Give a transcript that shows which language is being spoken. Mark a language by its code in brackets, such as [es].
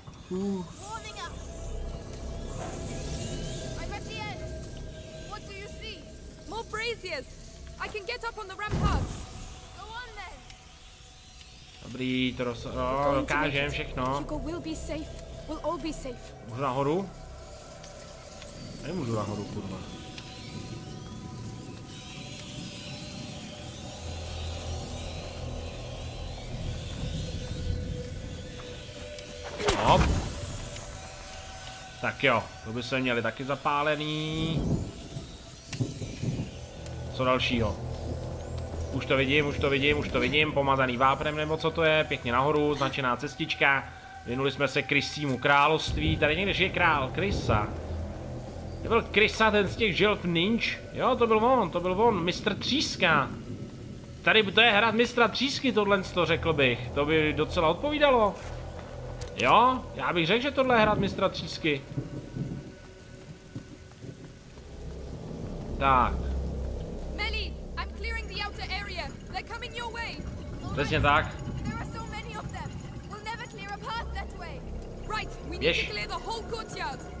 [en] Warming up. I'm at the end. What do you see? More braziers. I can get up on the ramparts. Go on then. [cs] Dobrý, to dokážem všechno. [en] Hugo will be safe. We'll all be safe. [cs] Můžu nahoru? Nemůžu nahoru, kurva. Hop. Tak jo, to by se měli taky zapálený. Co dalšího? Už to vidím, pomazaný vápnem nebo co to je, pěkně nahoru, značená cestička. Vinuli jsme se krysímu království, tady někde žije král, krysa. To byl krysa, ten z těch želv ninč? Jo, to byl on, mistr Tříska. Tady to je hrad mistra Třísky, tohle to řekl bych, to by docela odpovídalo. Jo, já bych řekl, že tohle je hrad mistra Třísky. Tak. [en] Melly, I'm clearing the outer area. They're coming your way. [cs] Přesně tak. [en] There are so many of them. We'll never clear a path that way. Right, we need to clear the whole courtyard.